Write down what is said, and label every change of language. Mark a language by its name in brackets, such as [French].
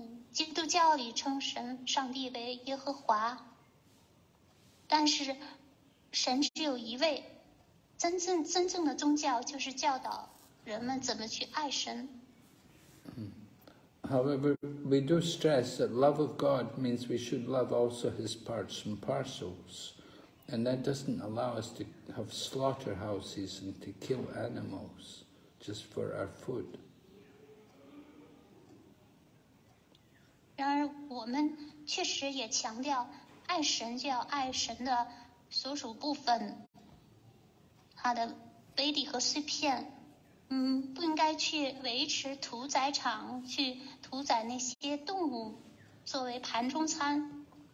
[Chinese] 基督教里称神上帝为耶和华。但是神只有一位，真正的宗教就是教导人们怎么去爱神。 [English] However, we do stress that love of God means we should love also his parts and parcels. And that doesn't allow us to have slaughterhouses and to kill animals just for our food. [Chinese] 然而我们确实也强调爱神就要爱神的所属部分，他的 body 和碎片，不应该去维持屠宰场，去屠宰那些动物作为盘中餐。